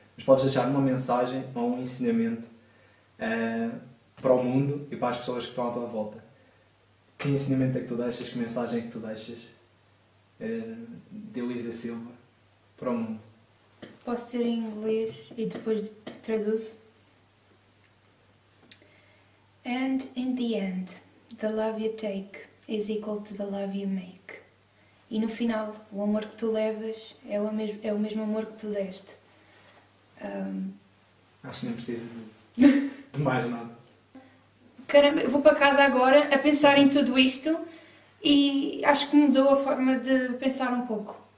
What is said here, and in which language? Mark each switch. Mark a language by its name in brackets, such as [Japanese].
[Portuguese] Mas podes deixar uma mensagem ou um ensinamento para o mundo e para as pessoas que estão à tua volta. Que ensinamento é que tu deixas? Que mensagem é que tu deixas de Elisa Silva para o mundo? Posso ser em inglês e depois traduzo? [English] And in the end, the love you take is equal to the love you make. [Portuguese] E no final, o amor que tu levas é o mesmo amor que tu deste. Acho que nem precisa de mais nada. Caramba, eu vou para casa agora a pensar em tudo isto e acho que mudou a forma de pensar um pouco.